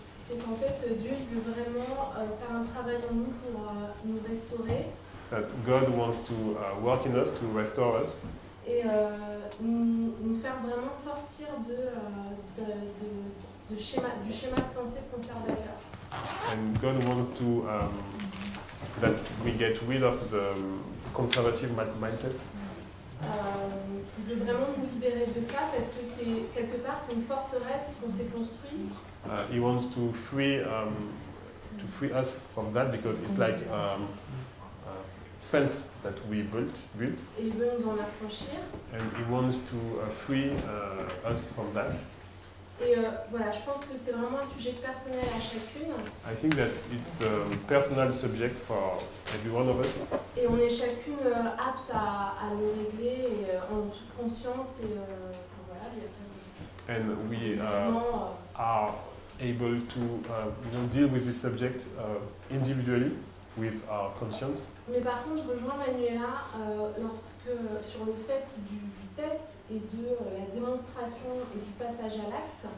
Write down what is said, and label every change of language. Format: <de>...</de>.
<fr>C'est qu'en fait, Dieu veut vraiment faire un travail en nous pour nous restaurer.</fr> <en>That God wants to work in us, to restore us.</en> <fr>Et nous faire vraiment sortir du schéma de pensée conservateur.</fr> <en>And God wants to that we get rid of the conservative mindset.</en> <fr>Il veut vraiment nous libérer de ça parce que c'est quelque part c'est une forteresse qu'on s'est construit.</fr> <en>He wants to free us from that because it's like a fence that we built.</en> <fr>Et il veut nous en affranchir.</fr> <en>And he wants to free us from that.</en> <fr>Et voilà, je pense que c'est vraiment un sujet personnel à chacune.</fr> <en>I think that it's a personal subject for every one of us.</en> <fr>Et on est chacune apte à le régler et en toute conscience et voilà, il y a pas de jugement.</fr> <en>And we are able to deal with this subject individually with our conscience.</en> <fr>Mais par contre, je rejoins Manuela sur le fait du test et de la démonstration et du passage à l'acte.</fr>